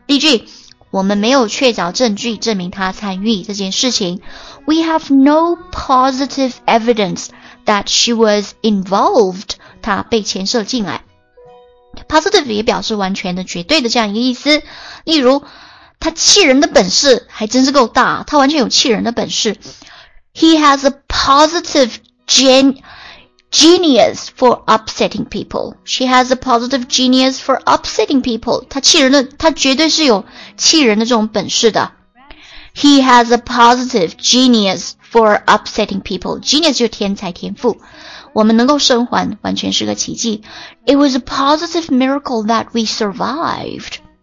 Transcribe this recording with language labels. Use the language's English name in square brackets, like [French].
[Chinese] 例句，我们没有确凿证据证明他参与这件事情。 [English] We have no positive evidence that she was involved. [Chinese] 她被牵涉进来。Positive 也表示完全的、绝对的这样一个意思。例如，他气人的本事还真是够大，他完全有气人的本事。 [English] He has a positive genius for upsetting people. She has a positive genius for upsetting people. [Chinese] 他绝对是有气人的这种本事的。 [English] He has a positive genius for upsetting people. [Chinese] Genius 就是天才天赋。我们能够生还完全是个奇迹。 [English] It was a positive miracle that we survived.